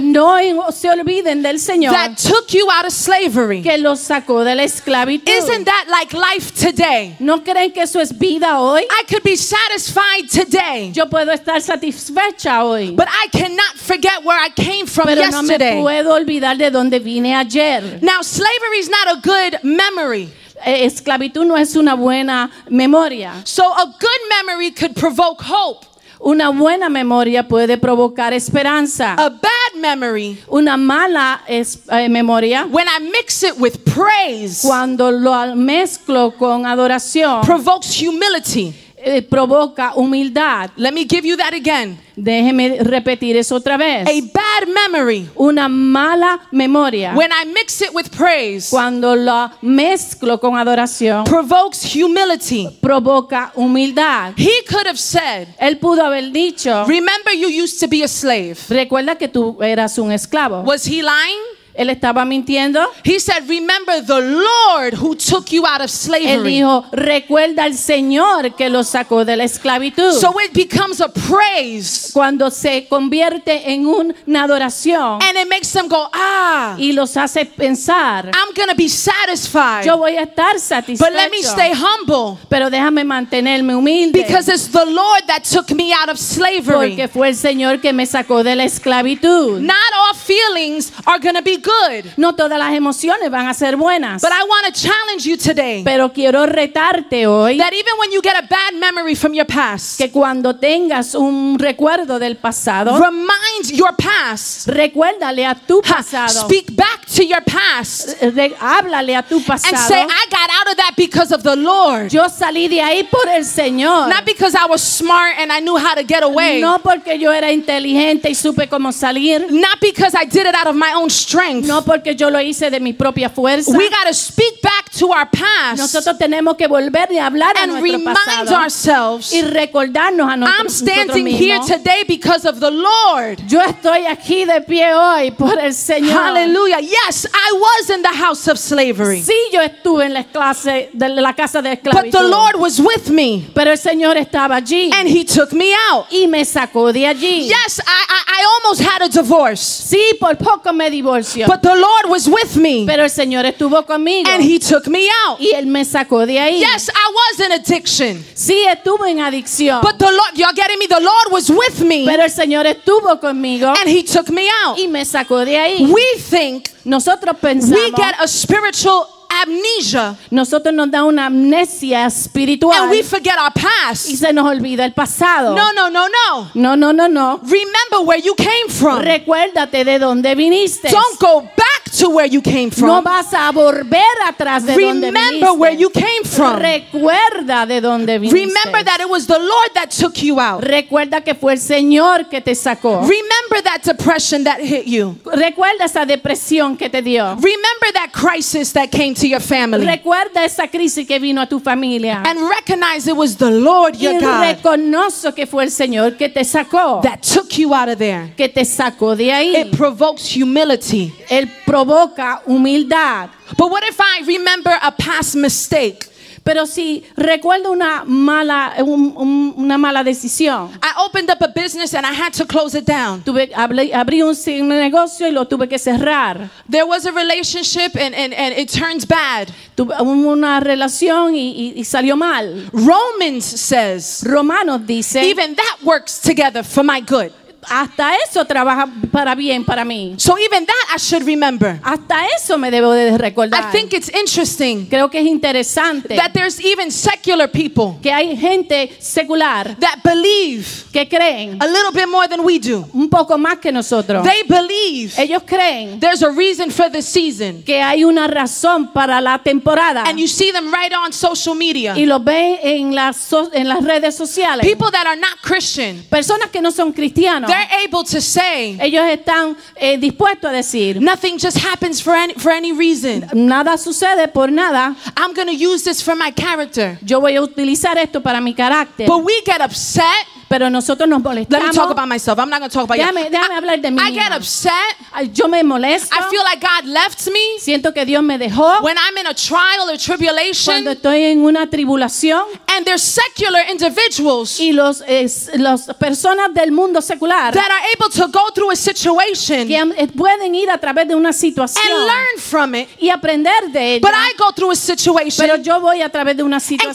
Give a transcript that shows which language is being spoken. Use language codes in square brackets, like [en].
[es] No se olviden del Señor. [en] That took you out of slavery. [es] Que lo sacó de la esclavitud. [en] Isn't that like life today? [es] ¿No creen que eso es vida hoy? [en] I could be satisfied today. [es] Yo puedo estar satisfecha hoy. [en] But I cannot forget where I came from [es] pero [en] yesterday. [es] No me puedo olvidar de dónde vine ayer. [en] Now slavery is not a good memory. [es] Esclavitud no es una buena memoria. [en] So a good memory could provoke hope. [es] Una buena memoria puede provocar esperanza. [en] A bad memory. [es] Una mala memoria. [en] When I mix it with praise. [es] Cuando lo mezclo con adoración. [en] Provokes humility. [es] Provoca humildad. [en] Let me give you that again. [es] Déjeme repetir eso otra vez. [en] A bad memory. [es] Una mala memoria. [en] When I mix it with praise. [es] Cuando lo mezclo con adoración. [en] Provokes humility. [es] Provoca humildad. [en] He could have said. [es] Él pudo haber dicho. [en] Remember you used to be a slave. [es] Recuerda que tú eras un esclavo. [en] Was he lying? [es] Él estaba mintiendo. [en] He said, "Remember the Lord who took you out of slavery." [es] Él dijo, "Recuerda al Señor que lo sacó de la esclavitud." [en] So it becomes a praise. [es] Cuando se convierte en una adoración. [en] And it makes them go, "Ah." [es] Y los hace pensar. [en] I'm gonna be satisfied. [es] Yo voy a estar satisfecho. [en] But let me stay humble. [es] Pero déjame mantenerme humilde. [en] Because it's the Lord that took me out of slavery. [es] Porque fue el Señor que me sacó de la esclavitud. [en] Not all feelings are gonna be good. [es] No todas las emociones van a ser buenas. [en] But I want to challenge you today. [es] Pero quiero retarte hoy. [en] That even when you get a bad memory from your past. [es] Que cuando tengas un recuerdo del pasado. [en] Remind your past. [es] Recuérdale a tu pasado. [en] Speak back to your past. [es] Háblale a tu pasado. [en] And say, I got out of that because of the Lord. [es] Yo salí de ahí por el Señor. [en] Not because I was smart and I knew how to get away. [es] No porque yo era inteligente y supe cómo salir. [en] Not because I did it out of my own strength. [es] No porque yo lo hice de mi propia fuerza. [en] We got to speak back to our past. [es] Nosotros tenemos que volver a hablar a nuestro pasado. [en] And remind ourselves. [es] Y recordarnos a nosotros mismos. [en] I'm standing here today because of the Lord. [es] Yo estoy aquí de pie hoy por el Señor. [en] Hallelujah. Yes, I was in the house of slavery. [es] Sí, yo estuve en la casa de esclavitud. [en] But the Lord was with me. [es] Pero el Señor estaba allí. [en] And he took me out. [es] Y me sacó de allí. [en] Yes, I almost had a divorce. [es] Sí, por poco me divorcié. [en] But the Lord was with me. [es] Pero el Señor estuvo conmigo. [en] And he took me out. [es] Y él me sacó de ahí. [en] Yes, I was in addiction. [es] Sí, estuve en adicción. [en] But the Lord, y'all getting me? The Lord was with me. [es] Pero el Señor estuvo conmigo. [en] And he took me out. [es] Y me sacó de ahí. [en] We think. [es] Nosotros pensamos. [en] We get a spiritual amnesia. [es] Nosotros nos da una amnesia espiritual. [en] And we forget our past. [es] Y se nos olvida el pasado. [en] No, no, no, no. [es] No, no, no, no. [en] Remember where you came from. [es] Recuérdate de dónde viniste. [en] Don't go back to where you came from. [es] No vas a volver atrás de donde viniste. [en] Remember where you came from. [es] Recuerda de donde viniste. [en] Remember that it was the Lord that took you out. [es] Recuerda que fue el Señor que te sacó. [en] Remember that depression that hit you. [es] Recuerda esa depresión que te dio. [en] Remember that crisis that came to your family. [es] Recuerda esa crisis que vino a tu familia. [en] And recognize it was the Lord your God. [es] Y reconozco que fue el Señor que te sacó. [en] That took you out of there. [es] Que te sacó de ahí. [en] It provokes humility. [es] Él provoca humildad. [en] But what if I remember a past mistake? [es] Pero si recuerdo una mala decisión. [en] I opened up a business and I had to close it down. [es] Abrí un negocio y lo tuve que cerrar. [en] There was a relationship and it turns bad. [es] Tuve una relación y salió mal. [en] Romans says. [es] Romanos dice. [en] Even that works together for my good. [es] Hasta eso trabaja para bien para mí. [en] So even that I should remember. [es] Hasta eso me debo de recordar. [en] I think it's interesting. [es] Creo que es interesante. [en] That there's even secular people. [es] Que hay gente secular. [en] That believe. [es] Que creen. [en] A little bit more than we do. [es] Un poco más que nosotros. [en] They believe. [es] Ellos creen. [en] There's a reason for the season. [es] Que hay una razón para la temporada. [en] And you see them right on social media. [es] Y los ve en las redes sociales. [en] People that are not Christian. [es] Personas que no son cristianos. [en] They're able to say. [es] Ellos están dispuestos a decir. [en] Nothing just happens for any reason. [es] Nada sucede por nada. [en] I'm going to use this for my character. [es] Yo voy a utilizar esto para mi carácter. [en] But we get upset. [es] Pero nosotros nos molestamos. [en] Let me talk about myself. I'm not going to talk about [es] déjame, [en] you. [es] Déjame hablar de mí. [en] I get upset. [es] Yo me molesto. [en] I feel like God left me. [es] Siento que Dios me dejó. [en] When I'm in a trial or tribulation. [es] Cuando estoy en una tribulación. [en] And they're secular individuals. [es] Y los personas del mundo secular. [en] That are able to go through a situation. [es] Que pueden ir a través de una situación. [en] And learn from it. [es] Y aprender de ella. [en] But I go through a situation. [es] Pero yo voy a través de una situación.